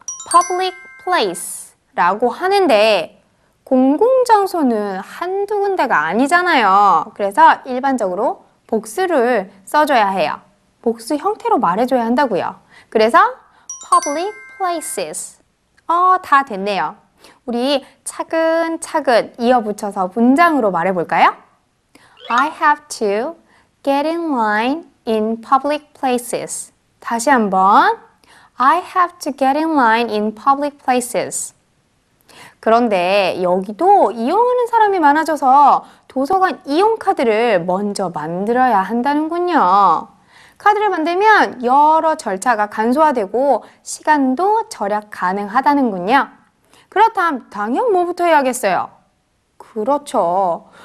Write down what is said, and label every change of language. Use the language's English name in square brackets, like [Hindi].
[Korean] public place라고 하는데 공공장소는 한두 군데가 아니잖아요. 그래서 일반적으로 복수를 써줘야 해요. 복수 형태로 말해줘야 한다고요. 그래서 [English] public places. [Korean] 다 됐네요. 우리 차근차근 이어붙여서 문장으로 말해볼까요? [English] I have to get in line in public places. [Korean] 다시 한번 [English] I have to get in line in public places. [Korean] 그런데 여기도 이용하는 사람이 많아져서 도서관 이용카드를 먼저 만들어야 한다는군요. 카드를 만들면 여러 절차가 간소화되고 시간도 절약 가능하다는군요. 그렇다면 당연 뭐부터 해야겠어요? 그렇죠.